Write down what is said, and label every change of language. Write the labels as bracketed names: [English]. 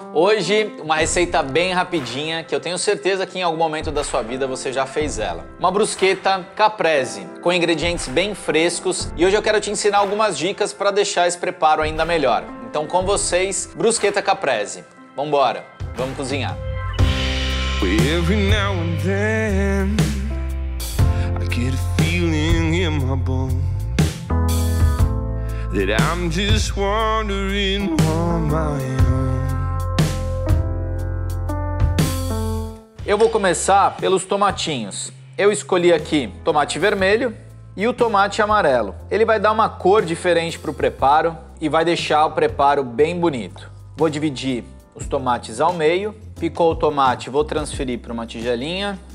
[Portuguese] Hoje, uma receita bem rapidinha, que eu tenho certeza que em algum momento da sua vida você já fez ela. Uma bruschetta caprese, com ingredientes bem frescos. E hoje eu quero te ensinar algumas dicas para deixar esse preparo ainda melhor. Então, com vocês, bruschetta caprese. Vambora, vamos cozinhar. [English] Every now and then, I get a feeling in my bones that I'm just wandering on my own. [Portuguese] Eu vou começar pelos tomatinhos. Eu escolhi aqui tomate vermelho e o tomate amarelo. Ele vai dar uma cor diferente para o preparo e vai deixar o preparo bem bonito. Vou dividir os tomates ao meio. Picou o tomate, vou transferir para uma tigelinha.